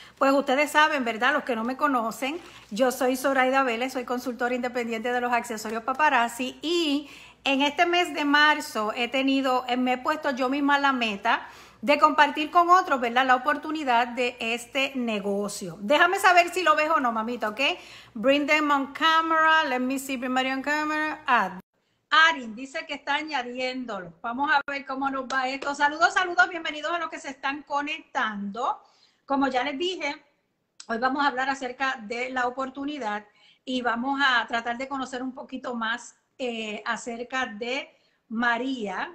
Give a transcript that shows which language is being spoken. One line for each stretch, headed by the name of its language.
Spanish: Pues ustedes saben, ¿verdad? Los que no me conocen, yo soy Zoraida Vélez, soy consultora independiente de los accesorios paparazzi y en este mes de marzo me he puesto yo misma la meta de compartir con otros, ¿verdad? La oportunidad de este negocio. Déjame saber si lo ves o no, mamita, ¿ok?
English: Bring them on camera, let me see, bring them on camera.
Spanish: Arin dice que está añadiéndolo. Vamos a ver cómo nos va esto. Saludos, saludos, bienvenidos a los que se están conectando. Como ya les dije, hoy vamos a hablar acerca de la oportunidad y vamos a tratar de conocer un poquito más acerca de María.